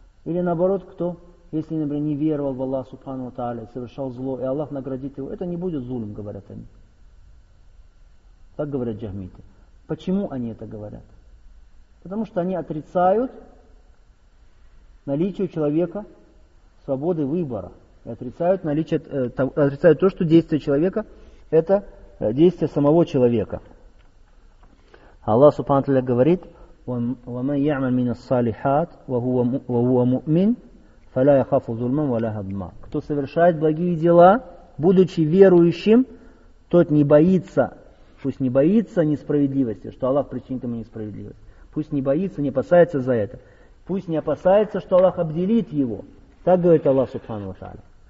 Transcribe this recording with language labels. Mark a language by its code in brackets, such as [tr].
[ru] Или наоборот, кто, если, например, не веровал в Аллах Субхану ва Тааля, совершал зло, и Аллах наградит его, это не будет зульм, говорят они. Так говорят джахмиты. Почему они это говорят? Потому что они отрицают наличие у человека свободы выбора. И отрицают наличие, отрицают то, что действие человека – это действие самого человека. Аллах Субхана Тааля говорит: [ar] وَمَنْ يَعْمَلْ مِنَ الصَّالِحَاتِ وَهُوَ مُؤْمِنْ فَلَا يَخَافُ ظُلْمًا وَلَا هَضْمًا. [ru] Кто совершает благие дела, будучи верующим, тот не боится, пусть не боится несправедливости, что Аллах причинит ему несправедливость. Пусть не боится, не опасается за это. Пусть не опасается, что Аллах обделит его. Так говорит Аллах Субхану ва Тааля.